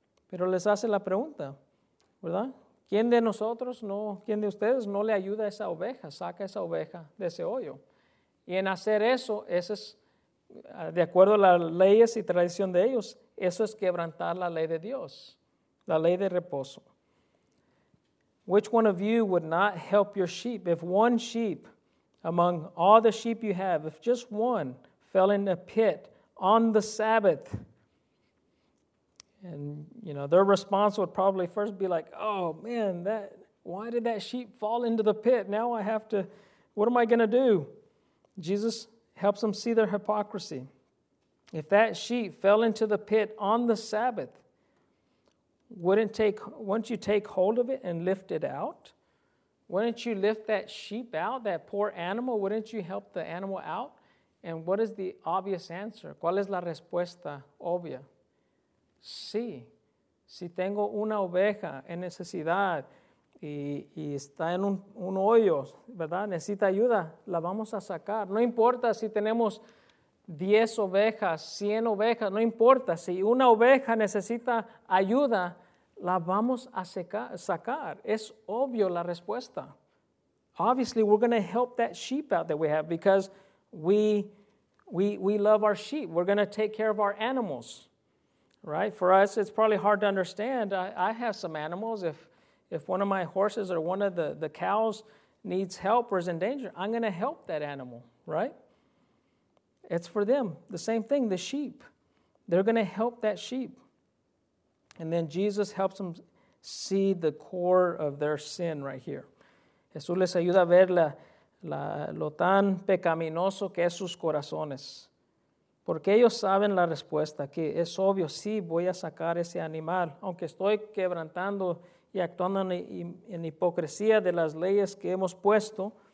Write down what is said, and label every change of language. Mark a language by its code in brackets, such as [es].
[es] Pero les hace la pregunta, ¿verdad? ¿Quién de nosotros, no, quién de ustedes no le ayuda a esa oveja, saca esa oveja de ese hoyo? Y en hacer eso, ese es, de acuerdo a las leyes y tradición de ellos, eso es quebrantar la ley de Dios, la ley de reposo. [en] Which one of you would not help your sheep if one sheep among all the sheep you have, if just one fell in a pit on the Sabbath? And, you know, their response would probably first be like, oh, man, why did that sheep fall into the pit? Now I have to, what am I going to do? Jesus helps them see their hypocrisy. If that sheep fell into the pit on the Sabbath, wouldn't you take hold of it and lift it out? Wouldn't you lift that sheep out, that poor animal? Wouldn't you help the animal out? And what is the obvious answer? [es] ¿Cuál es la respuesta obvia? Sí, si tengo una oveja en necesidad y está en un hoyo, ¿verdad? Necesita ayuda, la vamos a sacar. No importa si tenemos 10 ovejas, 100 ovejas, no importa. Si una oveja necesita ayuda, la vamos a sacar. Es obvio la respuesta. [en] Obviously, we're going to help that sheep out that we have because we love our sheep. We're going to take care of our animals, right? For us, it's probably hard to understand. I have some animals. If one of my horses or one of the cows needs help or is in danger, I'm going to help that animal, right? It's for them. The same thing, the sheep. They're going to help that sheep. And then Jesus helps them see the core of their sin right here. [es] Jesús les ayuda a ver lo tan pecaminoso que es sus corazones. Porque ellos saben la respuesta, que es obvio, sí, voy a sacar ese animal, aunque estoy quebrantando y actuando en hipocresía de las leyes que hemos puesto.